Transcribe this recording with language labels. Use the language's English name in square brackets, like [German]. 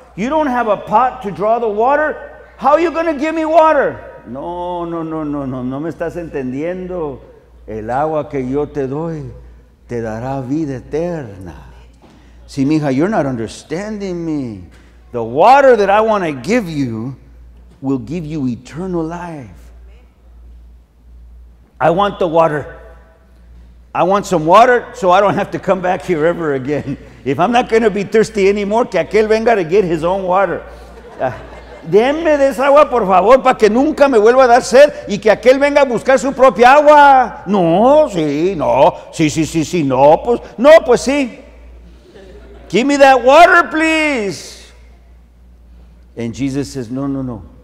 [English] You don't have a pot to draw the water. How are you going to give me water? [Spanish] No me estás entendiendo. El agua que yo te doy te dará vida eterna. Sí, mija, [English] you're not understanding me. The water that I want to give you will give you eternal life. I want the water. I want some water so I don't have to come back here ever again. If I'm not going to be thirsty anymore, [Spanish] que aquel venga [English] to get his own water. [Spanish] Denme de esa agua, por favor, para que nunca me vuelva a dar sed y que aquel venga a buscar su propia agua. No, pues sí. [English] Give me that water, please. And Jesus says, no.